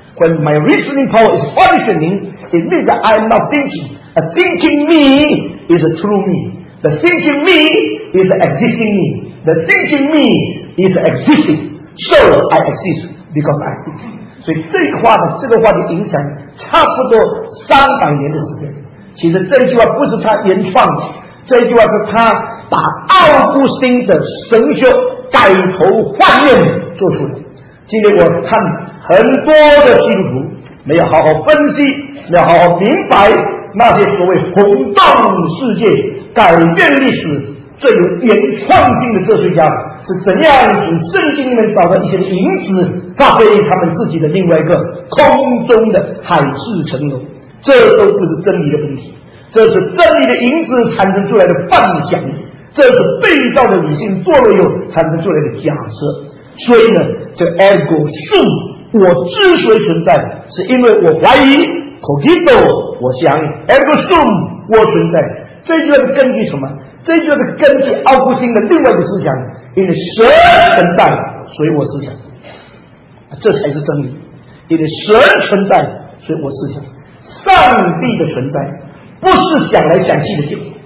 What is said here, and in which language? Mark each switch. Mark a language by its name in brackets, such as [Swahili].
[English] When my reasoning power is functioning，It means that I am not thinking. A thinking me is a true me. The thinking me is the existing me. The thinking me is existing. So I exist because I think. [Chinese] 所以这句话的影响差不多300年的时间。其实这句话不是他原创的，这句话是他把奥古斯丁的神学改头换面做出来。今天我看很多的基督徒没有好好分析，要好好明白那些所谓轰动世界、改变历史、最有原创性的哲学家是怎样从圣经里面找到一些影子，发挥他们自己的另外一个空中的海市蜃楼。这都不是真理的问题，这是真理的影子产生出来的幻想，这是被造的理性堕落后产生出来的假设。所以呢，这 [Latin] ego sum [Chinese] 我之所以存在，是因为我怀疑。 [Latin] Cogito， [Chinese] 我想 ； [Latin] ergo sum， [Chinese] 我存在。这句话是根据什么？这句话是根据奥古斯丁的另外一个思想：因为神存在，所以我思想。这才是真理。因为神存在，所以我思想。上帝的存在不是想来想去的结果。